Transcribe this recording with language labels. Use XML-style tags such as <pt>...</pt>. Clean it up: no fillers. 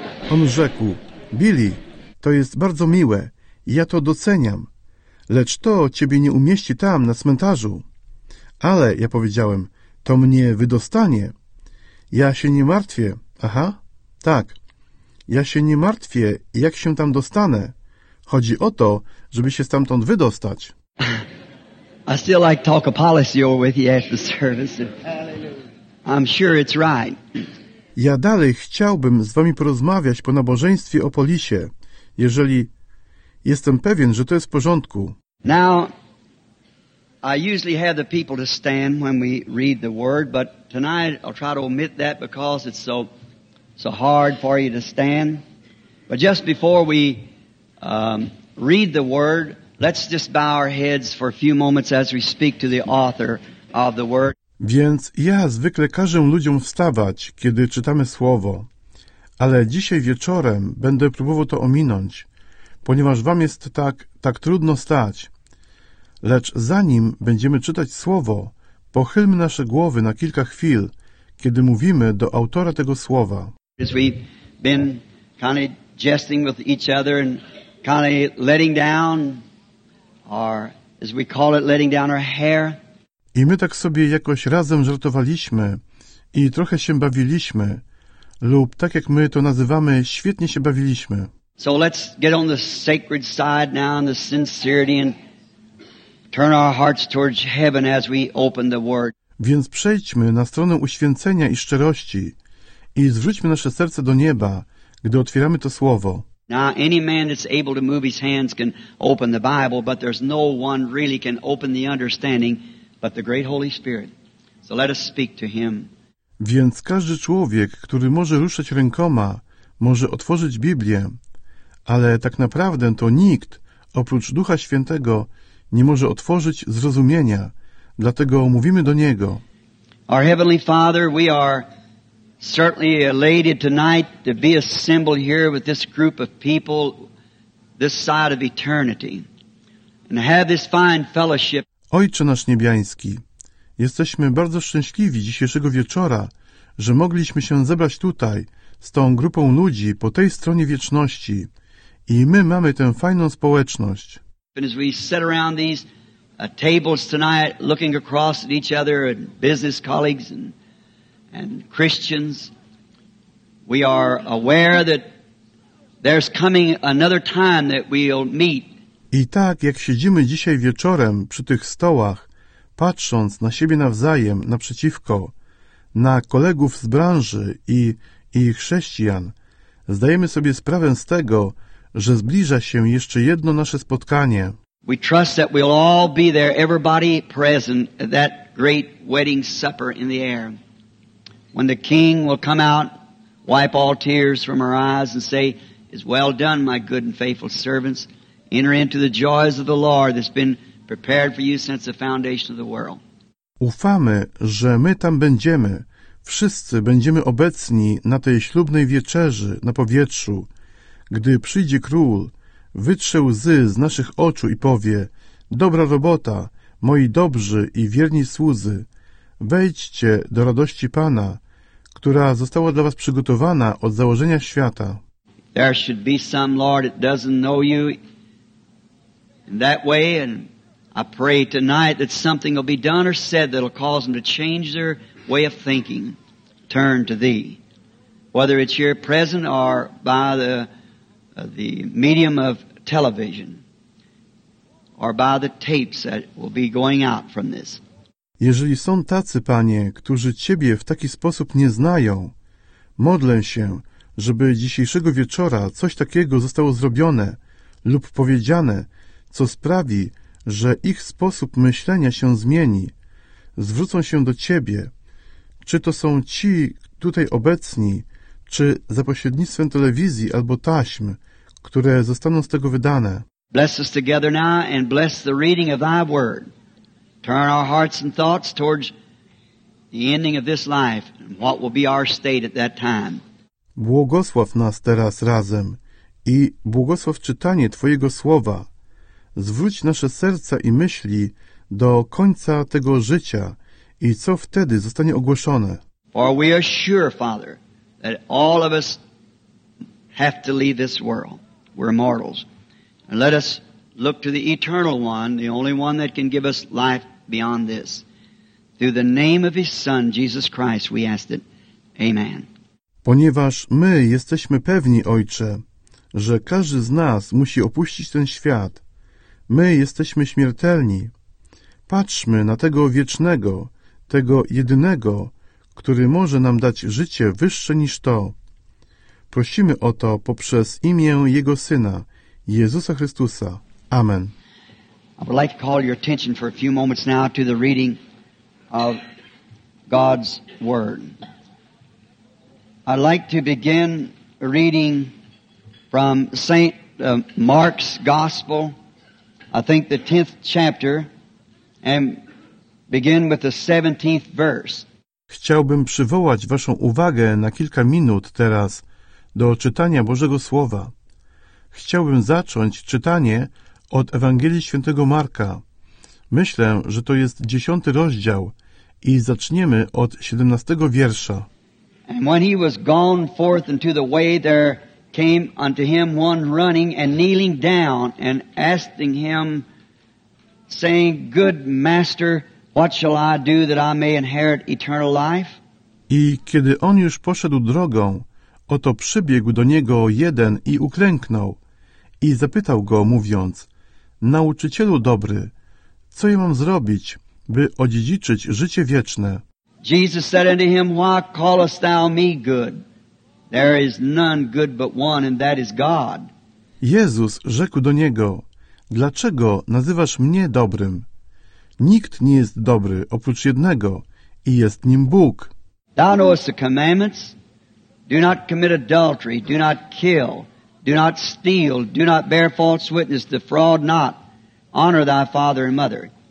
<pl>On rzekł, "Billy, to jest bardzo miłe. Ja to doceniam. Lecz to ciebie nie umieści tam, na cmentarzu." Ale ja powiedziałem, "To mnie wydostanie. Ja się nie martwię." Aha, tak. Ja się nie martwię, jak się tam dostanę. Chodzi o to, żeby się stamtąd wydostać.</pl> <en>I still like to talk a policy over with you after service. I'm sure it's right.</en> <pl>Ja dalej chciałbym z wami porozmawiać po nabożeństwie o polisie, jeżeli jestem pewien, że to jest w porządku.</pl> <en>Now, I usually have the people to stand when we read the word, but tonight I'll try to omit that because it's so hard for you to stand. But just before we read the word, let's just bow our heads for a few moments as we speak to the author of the word.</en> <pl>Więc ja zwykle każę ludziom wstawać, kiedy czytamy słowo, ale dzisiaj wieczorem będę próbował to ominąć, ponieważ wam jest tak trudno stać. Lecz zanim będziemy czytać słowo, pochylmy nasze głowy na kilka chwil, kiedy mówimy do autora tego słowa.</pl> <en>As we've been kind of jesting with each other and kind of letting down, or as we call it, letting down our hair.</en> <pl>I my tak sobie jakoś razem żartowaliśmy i trochę się bawiliśmy, lub tak jak my to nazywamy, świetnie się bawiliśmy.</pl> <en>So let's get on the sacred side now in the sincerity and turn our hearts towards heaven as we open the word.</en> <pl>Więc przejdźmy na stronę uświęcenia i szczerości. I zwróćmy nasze serce do nieba, gdy otwieramy to słowo.</pl> <en>Now, any man that's able to move his hands can open the Bible, but there's no one really can open the understanding but the great Holy Spirit. So let us speak to him.</en> <pl>Więc każdy człowiek, który może ruszać rękoma, może otworzyć Biblię, ale tak naprawdę to nikt, oprócz Ducha Świętego, nie może otworzyć zrozumienia. Dlatego mówimy do Niego.</pl> <en>Our Heavenly Father, we are certainly elated tonight to be assembled here with this group of people this side of eternity and have this fine fellowship.</en> <pl>Ojcze nasz niebiański, jesteśmy bardzo szczęśliwi dzisiejszego wieczora, że mogliśmy się zebrać tutaj z tą grupą ludzi po tej stronie wieczności i my mamy tę fajną społeczność.</pl> <en>And as we sit around these tables tonight looking across at each other and business colleagues and Christians, we are aware that there's coming another time that we'll meet.</en> <pl>I tak jak siedzimy dzisiaj wieczorem przy tych stołach, patrząc na siebie nawzajem, naprzeciwko, na kolegów z branży i chrześcijan, zdajemy sobie sprawę z tego, że zbliża się jeszcze jedno nasze spotkanie.</pl> <en>We trust that we'll all be there, everybody present at that great wedding supper in the air. When the king will come out wipe all tears from her eyes and say, "It's well done, my good and faithful servants. Enter into the joys of the Lord that's been prepared for you since the foundation of the world."</en> <pl>Ufamy, że my tam będziemy. Wszyscy będziemy obecni na tej ślubnej wieczerzy na powietrzu. Gdy przyjdzie król, wytrze łzy z naszych oczu i powie: "Dobra robota, moi dobrzy i wierni słudzy. Wejdźcie do radości Pana, która została dla was przygotowana od założenia świata."</pl> <en>There should be some Lord that doesn't know you in that way, and I pray tonight that something will be done or said that'll cause them to change their way of thinking, turn to thee. Whether it's here present or by the medium of television or by the tapes that will be going out from this.</en> <pl>Jeżeli są tacy, Panie, którzy Ciebie w taki sposób nie znają, modlę się, żeby dzisiejszego wieczora coś takiego zostało zrobione lub powiedziane, co sprawi, że ich sposób myślenia się zmieni, zwrócą się do Ciebie. Czy to są ci tutaj obecni, czy za pośrednictwem telewizji albo taśm, które zostaną z tego wydane.</pl> <en>Bless us together now and bless the reading of thy word. Turn our hearts and thoughts towards the ending of this life and what will be our state at that time.</en> <pl>Błogosław nas teraz razem i błogosław czytanie Twojego słowa. Zwróć nasze serca i myśli do końca tego życia i co wtedy zostanie ogłoszone.</pl> <en>For we are sure, Father, that all of us have to leave this world. We're mortals. And let us look to the eternal one, the only one that can give us life beyond this. Through the name of his Son, Jesus Christ, we ask it. Amen.</en> <pl>Ponieważ my jesteśmy pewni, Ojcze, że każdy z nas musi opuścić ten świat, my jesteśmy śmiertelni. Patrzmy na tego wiecznego, tego jedynego, który może nam dać życie wyższe niż to. Prosimy o to poprzez imię Jego Syna, Jezusa Chrystusa. Amen.</pl> <en>I would like to call your attention for a few moments now to the reading of God's Word. I'd like to begin reading from St. Mark's Gospel, I think the 10th chapter, and begin with the 17th verse.</en> <pl>Chciałbym przywołać Waszą uwagę na kilka minut teraz do czytania Bożego Słowa. Chciałbym zacząć czytanie od Ewangelii Świętego Marka. Myślę, że to jest 10 rozdział i zaczniemy od 17 wiersza.</pl> <en>And when he was gone forth into the way, there came unto him one running and kneeling down and asking him, saying, "Good master, what shall I do that I may inherit eternal life?"</en> <pl>I kiedy on już poszedł drogą, oto przybiegł do niego jeden i uklęknął i zapytał go, mówiąc: "Nauczycielu dobry, co ja mam zrobić, by odziedziczyć życie wieczne?"</pl> <en>Jesus said unto him, "Why callest thou me good? There is none good but one, and that is God."</en> <pl>Jezus rzekł do niego: "Dlaczego nazywasz mnie dobrym? Nikt nie jest dobry oprócz jednego i jest nim Bóg."</pl> <en>"Thou knowest the commandments. Do not commit adultery, do not kill, do not steal, do not bear false witness, defraud not, honor thy father and mother."</en>